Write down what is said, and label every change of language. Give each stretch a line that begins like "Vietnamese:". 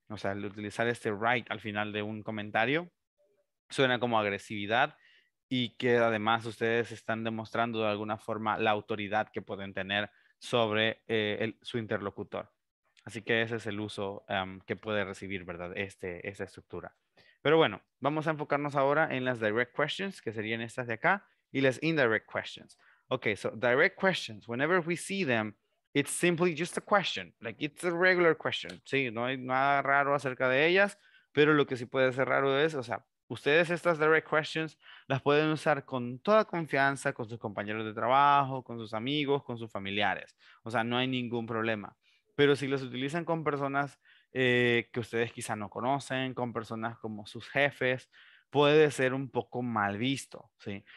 Spanish: O sea, el utilizar este right al final de un comentario suena como agresividad y que además ustedes están demostrando de alguna forma la autoridad que pueden tener sobre su interlocutor. Así que ese es el uso que puede recibir, ¿verdad? Esta estructura. Pero bueno, vamos a enfocarnos ahora en las direct questions, que serían estas de acá, y las indirect questions.
English: Okay, so direct questions, whenever we see them, it's simply just a question, like it's a regular question.
Spanish: Sí, no hay nada raro acerca de ellas, pero lo que sí puede ser raro es, o sea, ustedes estas direct questions las pueden usar con toda confianza con sus compañeros de trabajo, con sus amigos, con sus familiares. O sea, no hay ningún problema. Pero si las utilizan con personas que ustedes quizá no conocen, con personas como sus jefes, puede ser un poco mal visto, ¿sí?